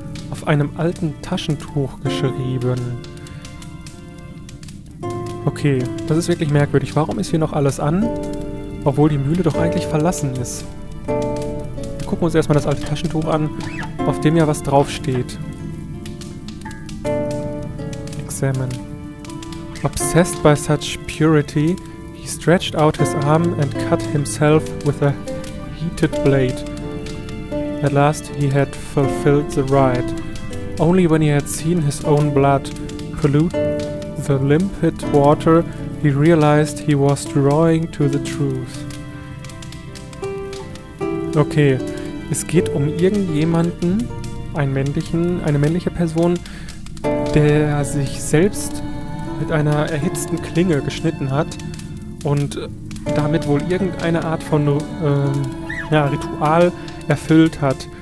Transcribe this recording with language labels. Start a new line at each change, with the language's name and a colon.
German: Auf einem alten Taschentuch geschrieben. Okay, das ist wirklich merkwürdig. Warum ist hier noch alles an, obwohl die Mühle doch eigentlich verlassen ist? Wir gucken uns erstmal das alte Taschentuch an, auf dem ja was draufsteht.
English: Examine. Obsessed by such purity, he stretched out his arm and cut himself with a heated blade. At last he had fulfilled the rite. Only when he had seen his own blood pollute the limpid water, he realized he was drawing to the truth.
German: Okay, es geht um irgendjemanden, eine männliche Person, der sich selbst mit einer erhitzten Klinge geschnitten hat und damit wohl irgendeine Art von Ritual erfüllt hat.